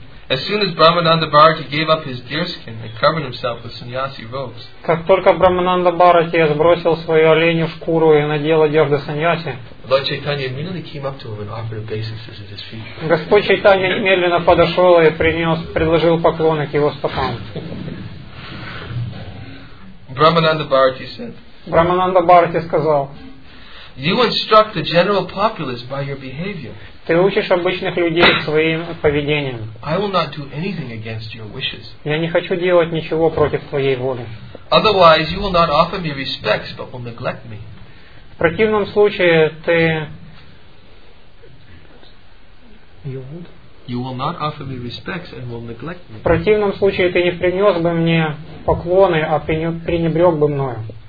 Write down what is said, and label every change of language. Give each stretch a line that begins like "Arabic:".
English: As soon as Brahmananda Bharati gave up his deerskin and covered himself with sannyasi robes.
Russian: Как только Брахмананда Бхарати сбросил свою оленью шкуру и надел одежды сандьяси.
English: Lord Chaitanya immediately came up to him and offered obeisances at his feet.
Russian: Господь Чайтанья немедленно подошел и предложил поклоны к его стопам.
English: Brahmananda Bharati said.
Russian: Брахмананда Бхарати сказал.
English: You instruct the general populace by your behavior.
Russian: Ты учишь обычных людей своим поведением.
English: I will not do anything against your wishes.
Russian: Я не хочу делать ничего против твоей воли.
English: Otherwise, you will not offer me respects, but will neglect me.
Russian: В противном случае ты В противном случае ты не принес бы мне поклоны, а пренебрег бы мною.